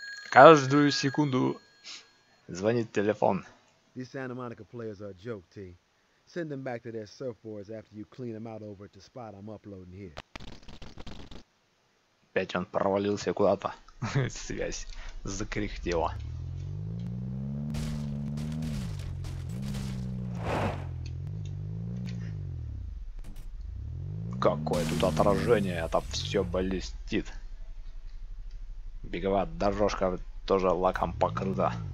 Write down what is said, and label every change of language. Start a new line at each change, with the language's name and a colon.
Russian: Каждую секунду звонит телефон.
English: These Santa Monica players are a joke, T. Send them back to their surfboards after you clean them out over at the spot I'm uploading here.
Russian: Опять он провалился куда-то. Связь закряхтела. Какое тут отражение, это все блестит. Беговая дорожка тоже лаком покрыта.